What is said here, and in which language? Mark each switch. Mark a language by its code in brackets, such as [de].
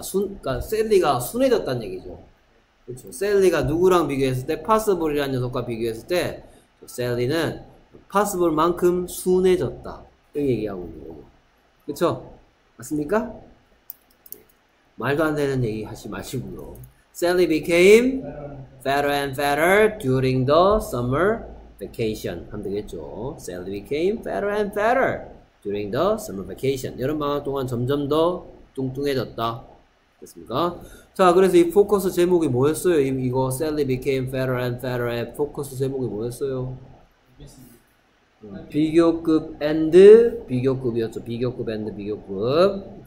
[ko] 그러니까 Sally가 순해졌다는 얘기죠. 그렇죠. Sally가 누구랑 비교했을 때? Possible이라는 녀석과 비교했을 때 Sally는 Possible만큼 순해졌다. 이렇게 얘기하고 있는 거죠. 그렇죠? 맞습니까? 말도 안 되는 얘기 하지 마시고요. [en] Sally became fatter and fatter during the summer vacation. [ko] 하면 되겠죠. [en] Sally became fatter and fatter during the summer vacation. [ko] 여름방학 동안 점점 더 뚱뚱해졌다. 됐습니까? 자, 그래서 이 포커스 제목이 뭐였어요? 이거 [en] Sally became fatter and fatter [ko] 의 포커스 제목이 뭐였어요? 비교급 and 비교급이었죠. 비교급 and 비교급.